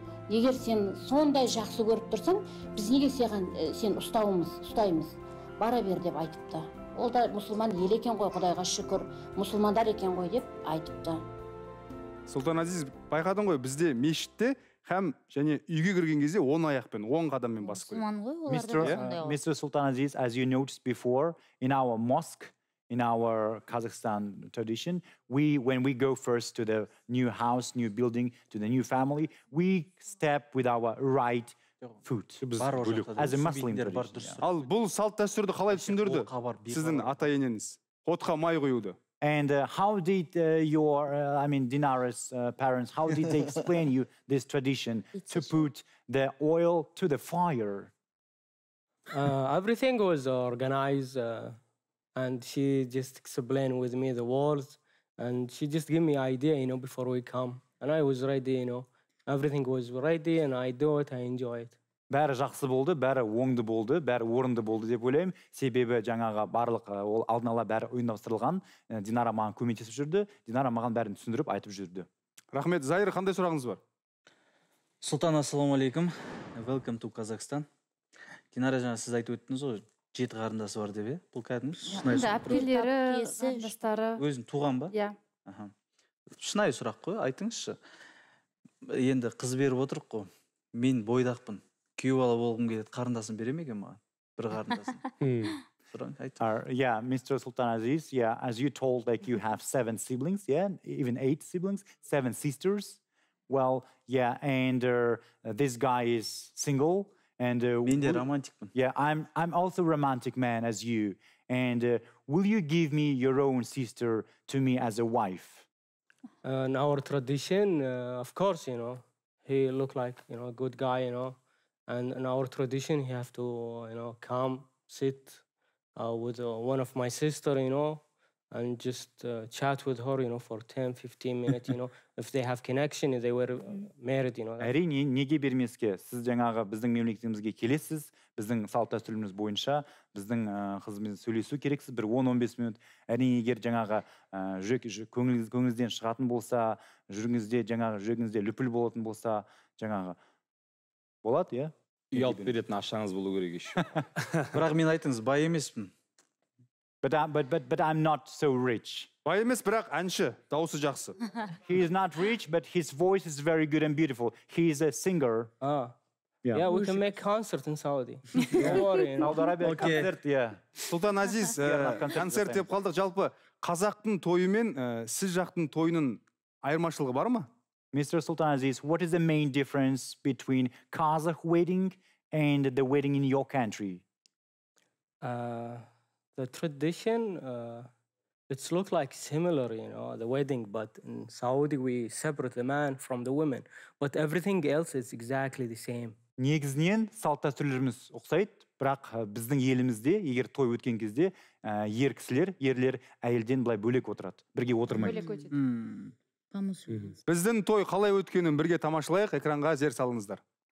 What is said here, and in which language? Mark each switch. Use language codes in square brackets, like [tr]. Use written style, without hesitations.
[kk] Егер сен сондай жақсы көріп тұрсаң, біз неге сен ұстауымыз, ұстаймыз. Бара бер" деп айтыпты. Ол да мұсылман ел екен ғой, Құдайға шүкір. Мұсылмандар екен ғой деп айтыпты. Султан Азиз, байқадың ғой, бізде мешітте һәм және үйге кірген кезде 10 аяқпен, 10 қадаммен басып кіреді. [en] Mr. Sultan Aziz, as you noticed before, in our mosque, in our Kazakhstan tradition, when we go first to the new house, new building, to the new family, we step with our right foot. As a Muslim tradition. [kk] Ал бұл салт-дәстүрді қалай түсіндірді сіздің ата-енеңіз? Отқа май құюды. [en] And how did Dinara's parents, how did they explain you this tradition to put the oil to the fire? Everything was organized and she just explained with me the words and she just gave me idea, you know, before we come. And I was ready, you know, everything was ready and I do it, I enjoy it. [kk] Бәрі жақсы болды, бәрі оңды болды, бәрі орынды болды деп ойлаймын. Себебі жаңаға барлық ол алдын ала бәрі ұйымдастырылған. Динара маған көмектесіп жүрді, Динара маған бәрін түсіндіріп айтып жүрді. Рахмет. Зайыр, қандай сұрағыңыз бар? Султан, ассаламу алейкум. [en] Welcome to Kazakhstan. [kk] Динара, жаңа сіз айтып өттіңіз ғой, 7 қарындасы бар деп, бұл кәдімгі шынайы сұрақ. Әпкелері, қандастары. Өзің туған ба? Иә. Аха. Шынайы сұрақ қой, айтыңызшы. Енді қыз беріп отырық қой. Мен бойдақпын. Күйеу ала болғым келеді, қарындасын бере ме екен маған? Бір қарындасын. [en] Mr. Sultan Aziz, as you told, like you have 7 siblings, even 8 siblings, 7 sisters. Well, and this guy is single. And [kk] мен де романтикпін. [en] I'm also a romantic man as you. And will you give me your own sister to me as a wife? In our tradition, of course, you know, he look like, you know, a good guy, you know. And in our tradition, he have to, you know, come, sit, with one of my sister, you know, and just chat with her, you know, for 10, 15 minutes, you know, if they have connection, if they were married, you know. [kk] Әрине, неге бермеске? Сіз жаңағы біздің мемлекетімізге келесіз, біздің салт-дәстүріміз бойынша, біздің қызымызбен сөйлесу керексіз, бір 10-15 минут. Әрине, егер жаңағы көңіліңізден шығатын болса, жүріңізде, жаңағы жүрегіңізде лүпіл болатын болса, жаңағы болады, иә? Ұялып беретін ашаңыз болу керек еш. Бірақ мен айтыңыз, бай емеспін. [en] But I'm not so rich. [kk] Бай емес, бірақ әнші, дауысы жақсы. [en] He is not rich, but his voice is very good and beautiful. He is a singer. Yeah, we can make concert in Saudi. Don't worry. [kk] Сауд Арабия концерт, иә. Сұлтан Азиз, концерт деп қалдық. Жалпы, қазақтың тойы мен сіз жақтың тойының айырмашылығы бар ма? [en] Mr. Sultan Aziz, what is the main difference between Kazakh wedding and the wedding in your country? The tradition, it's look like similar, you know, the wedding, but in Saudi we separate the man from the women. But everything else is exactly the same. [kk] Негізінен салт-дәстүрлеріміз ұқсайды, бірақ біздің елімізде, егер той өткен кезде, ер кісілер, ерлер әйелден былай бөлек отырады, бірге отырмайды. Бөлек өтеді. Біздің той қалай өткенін бірге тамашылайық, экранға зер салыңыздар.